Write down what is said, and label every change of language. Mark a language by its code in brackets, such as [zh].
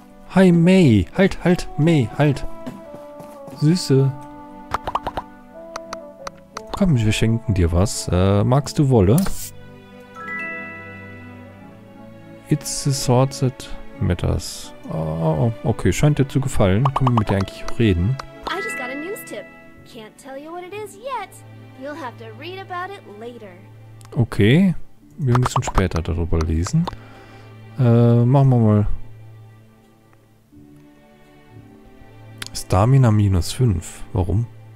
[de] Hi May, halt, halt, May, halt. Süße. Komm, wir schenken dir was. Magst du Wolle? [en] It's the sorted matters. [de] Oh, okay, scheint dir zu gefallen. Können wir mit dir eigentlich reden? [en] I just got a news tip. Can't tell you what it is yet. You'll have to read about it later. [de] Okay, wir müssen später darüber lesen. Machen wir mal. Stamina minus 5. Warum?